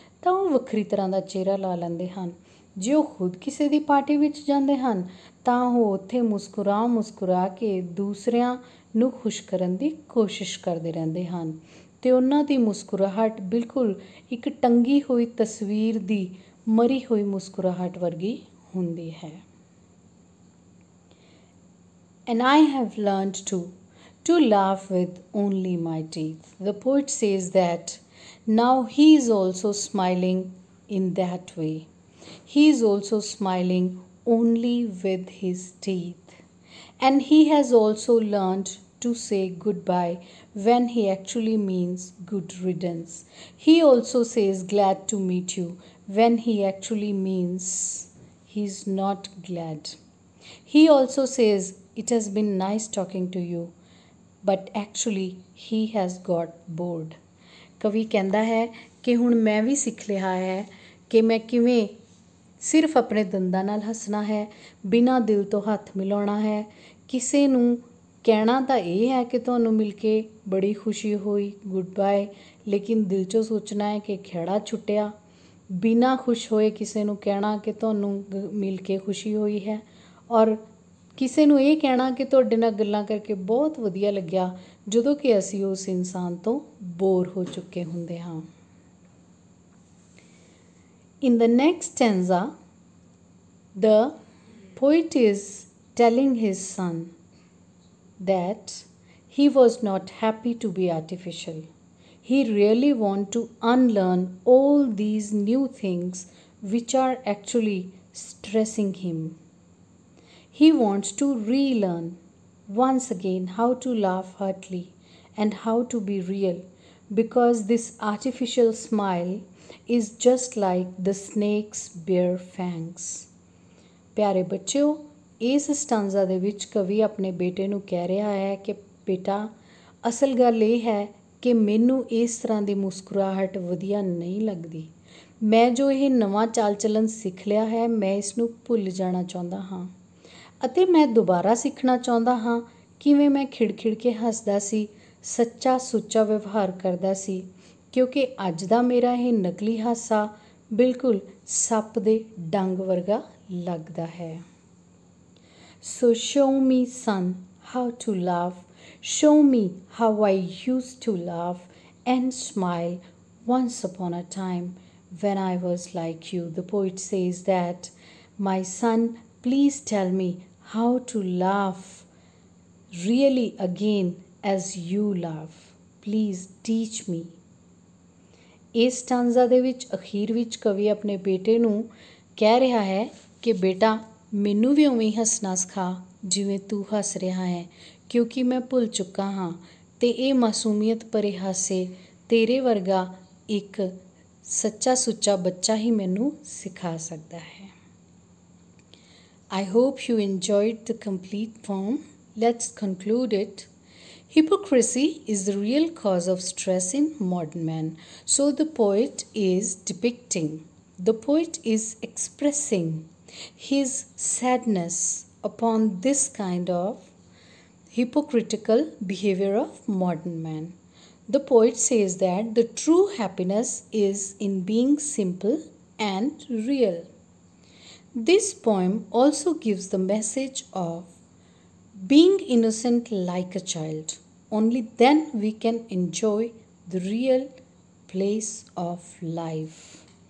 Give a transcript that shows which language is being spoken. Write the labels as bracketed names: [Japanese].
[Punjabi] ਤਾਂ ਉਹ ਵੱਖਰੀ ਤਰ੍ਹਾਂ ਦਾ ਚਿਹਰਾ ਲਾ ਲੈਂਦੇ ਹਨ ਜੇ ਉਹ ਖੁਦ ਕਿਸੇ ਦੀ ਪਾਰਟੀ ਵਿੱਚ ਜਾਂਦੇ ਹਨ ਤਾਂ ਉਹ ਉੱਥੇ ਮੁਸਕਰਾ ਮੁਸਕਰਾ ਕੇ ਦੂਸਰਿਆਂ ਨੂੰ ਖੁਸ਼ ਕਰਨ ਦੀ ਕੋਸ਼ਿਸ਼ ਕਰਦੇ ਰਹਿੰਦੇ ਹਨ ਅਤੇ ਉਹਨਾਂ ਦੀ ਮੁਸਕਰਾਹਟ ਬਿਲਕੁਲ ਇੱਕ ਟੰਗੀ ਹੋਈ ਤਸਵੀਰ ਦੀ ਮਰੀ ਹੋਈ ਮੁਸਕਰਾਹਟ ਵਰਗੀ ਹੁੰਦੀ ਹੈ [English] And I have learned to To laugh with only my teeth. The poet says that now he is also smiling in that way. He is also smiling only with his teeth. And he has also learned to say goodbye when he actually means good riddance. He also says glad to meet you when he actually means he's not glad. He also says it has been nice talking to you, but actually he has got bored. [Punjabi] Kavi kehnda hai ki hun main vi sikh liya hai ki main kive sirf apne dandan naal hasna hai bina dil to hath milona hai kise nu ਕਹਿਣਾ ਤਾਂ ਇਹ ਹੈ ਕਿ ਤੁਹਾਨੂੰ ਮਿਲ ਕੇ ਬੜੀ ਖੁਸ਼ੀ ਹੋਈ good bye ਲੇਕਿਨ ਦਿਲ 'ਚੋਂ ਸੋਚਣਾ ਹੈ ਕਿ ਖੇੜਾ ਛੁੱਟਿਆ ਬਿਨਾਂ ਖੁਸ਼ ਹੋਏ ਕਿਸੇ ਨੂੰ ਕਹਿਣਾ ਕਿ ਤੁਹਾਨੂੰ ਮਿਲ ਕੇ ਖੁਸ਼ੀ ਹੋਈ ਹੈ ਔਰ ਕਿਸੇ ਨੂੰ ਇਹ ਕਹਿਣਾ ਕਿ ਤੁਹਾਡੇ ਨਾਲ ਗੱਲਾਂ ਕਰਕੇ ਬਹੁਤ ਵਧੀਆ ਲੱਗਿਆ ਜਦੋਂ ਕਿ ਅਸੀਂ ਉਸ ਇਨਸਾਨ ਤੋਂ ਬੋਰ ਹੋ ਚੁੱਕੇ ਹੁੰਦੇ ਹਾਂ [English] In the next stanza the poet is telling his son that he was not happy to be artificial. He really wanted to unlearn all these new things which are actually stressing him. He wants to relearn once again how to laugh heartily and how to be real because this artificial smile is just like the snake's bare fangs. [Punjabi] Pyare bachcho, ਇਸ ਸਟਾਂਜ਼ਾ ਦੇ ਵਿੱਚ ਕਵੀ ਆਪਣੇ ਬੇਟੇ ਨੂੰ ਕਹਿ ਰਿਹਾ ਹੈ ਕਿ ਬੇਟਾ ਅਸਲ ਗੱਲ ਇਹ ਹੈ ਕਿ ਮੈਨੂੰ ਇਸ ਤਰ੍ਹਾਂ ਦੀ ਮੁਸਕਰਾਹਟ ਵਧੀਆ ਨਹੀਂ ਲੱਗਦੀ ਮੈਂ ਜੋ ਇਹ ਨਵਾਂ ਚਾਲ ਚਲਨ ਸਿੱਖ ਲਿਆ ਹੈ ਮੈਂ ਇਸ ਨੂੰ ਭੁੱਲ ਜਾਣਾ ਚਾਹੁੰਦਾ ਹਾਂ ਅਤੇ ਮੈਂ ਦੁਬਾਰਾ ਸਿੱਖਣਾ ਚਾਹੁੰਦਾ ਹਾਂ ਕਿਵੇਂ ਮੈਂ ਖਿੜ ਖਿੜ ਕੇ ਹੱਸਦਾ ਸੀ ਸੱਚਾ ਸੁੱਚਾ ਵਿਵਹਾਰ ਕਰਦਾ ਸੀ ਕਿਉਂਕਿ ਅੱਜ ਦਾ ਮੇਰਾ ਇਹ ਨਕਲੀ ਹਾਸਾ ਬਿਲਕੁਲ ਸੱਪ ਦੇ ਡੰਗ ਵਰਗਾ ਲੱਗਦਾ ਹੈ [English] So show me, son, how to laugh. Show me how I used to laugh and smile once upon a time when I was like you. The poet says that, my son, please tell me how to laugh really again as you laugh. Please teach me. [Punjabi] Is stanza de vich akhir vich kavi apne bete nu keh reha hai ki beta ਮੈਨੂੰ ਵੀ ਉਵੇਂ ਹੱਸਣਾ ਸਿਖਾ ਜਿਵੇਂ ਤੂੰ ਹੱਸ ਰਿਹਾ ਹੈ ਕਿਉਂਕਿ ਮੈਂ ਭੁੱਲ ਚੁੱਕਾ ਹਾਂ ਅਤੇ ਇਹ ਮਾਸੂਮੀਅਤ ਭਰੇ ਹਾਸੇ ਤੇਰੇ ਵਰਗਾ ਇੱਕ ਸੱਚਾ ਸੁੱਚਾ ਬੱਚਾ ਹੀ ਮੈਨੂੰ ਸਿਖਾ ਸਕਦਾ ਹੈ [English] I hope you enjoyed the complete poem let's conclude it hypocrisy is the real cause of stress in modern man so the poet is depicting the poet is expressing His sadness upon this kind of hypocritical behavior of modern man. The poet says that the true happiness is in being simple and real. This poem also gives the message of being innocent like a child. Only then we can enjoy the real place of life.